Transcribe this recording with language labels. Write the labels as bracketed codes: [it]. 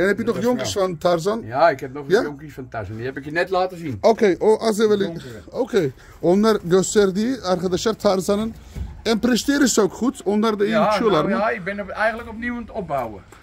[nl] En heb je nog jonkies van Tarzan? Ja, ik heb nog jonkies van Tarzan. Die heb ik je net laten zien. Oké, okay, [tr] az evvel. [nl] Oké. Okay. [tr] Onlar gösterdiği arkadaşlar Tarzan'ın. [nl] En presteren ze ook goed. [tr] Onlar da iyi uçuyorlar [nl] mı? Ja, ik ben eigenlijk opnieuw aan het opbouwen.